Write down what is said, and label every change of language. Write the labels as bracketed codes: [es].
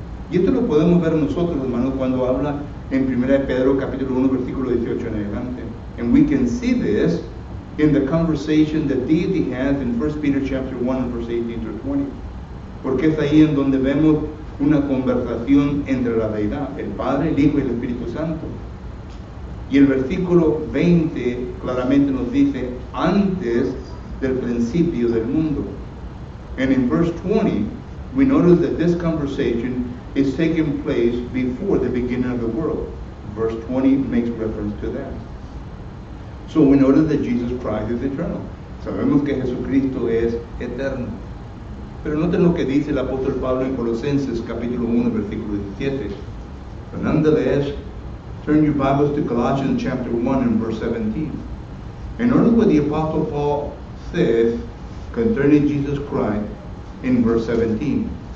[es] Y esto lo podemos ver nosotros, hermanos, cuando habla en 1 Pedro capítulo 1, versículo 18 en adelante. [en] And we can see this in the conversation that deity has in 1 Peter chapter 1, verse 18 to 20. [es] Porque es ahí en donde vemos una conversación entre la Deidad, el Padre, el Hijo y el Espíritu Santo. Y el versículo 20 claramente nos dice, antes del principio del mundo. [en] And in verse 20, we notice that this conversation is taking place before the beginning of the world. Verse 20 makes reference to that. So we notice that Jesus Christ is eternal. [es] Sabemos que Jesucristo es eterno. Pero noten lo que dice el apóstol Pablo en Colosenses, capítulo 1, versículo 17. [en] But nonetheless, turn your Bibles to Colossians chapter 1 and verse 17. And notice what the apostle Paul says concerning Jesus Christ in verse 17.